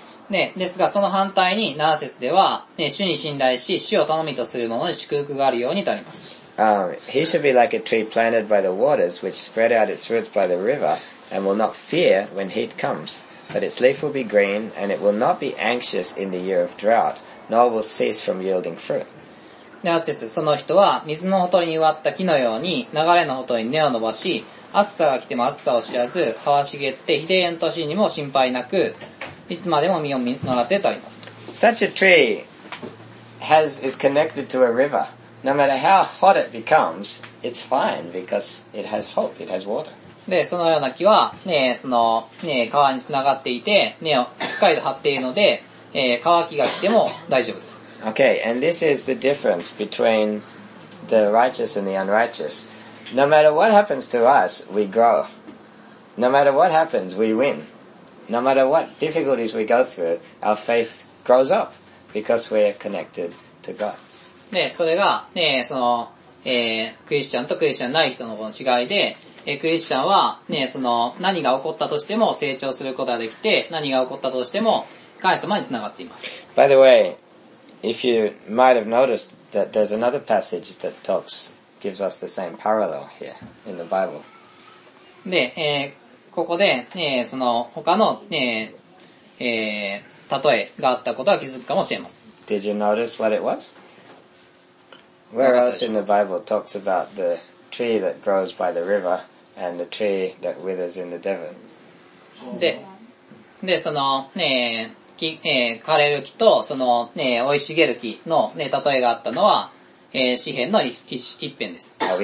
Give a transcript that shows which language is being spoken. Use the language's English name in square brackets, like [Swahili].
[Japanese] ね、ですが、その反対に、7節では、主に信頼し、主を頼みとする者に祝福があるようにとあります。 [English] He should be like a tree planted by the waters, which spread out its roots by the river, and will not fear when heat comes. But its leaf will be green, and it will not be anxious in the year of drought, nor will cease from yielding fruit. [Japanese] その人は水のほとりに植わった木のように流れのほとりに根を伸ばし、暑さが来ても暑さを知らず、葉は茂って日で炎と死にも心配なく、いつまでも実を実らせとあります。 [English] Such a tree is connected to a river. No matter how hot it becomes, it's fine because it has hope, it has water. [Japanese] で、そのような木は、その、川につながっていて、根をしっかりと張っているので、乾きが来ても大丈夫です。 [English] Okay, and this is the difference between the righteous and the unrighteous. No matter what happens to us, we grow. No matter what happens, we win. No matter what difficulties we go through, our faith grows up because we are connected to God. [Japanese] で、それが、ね、その、クリスチャンとクリスチャンない人のこの違いで、クリスチャンは、ね、その、何が起こったとしても成長することができて、何が起こったとしても、神様につながっています。 [English] By the way, if you might have noticed that there's another passage that talks, gives us the same parallel here in the Bible. [Japanese] で、ここで、その、他の、例えがあったことは気づくかもしれません。 [English] Did you notice what it was? Where else in the Bible talks about the tree that grows by the river and the tree that withers in the desert? [Japanese] で、その、ね、枯れる木とその、ね、生い茂る木の、ね、例えがあったのは、詩篇の一篇です。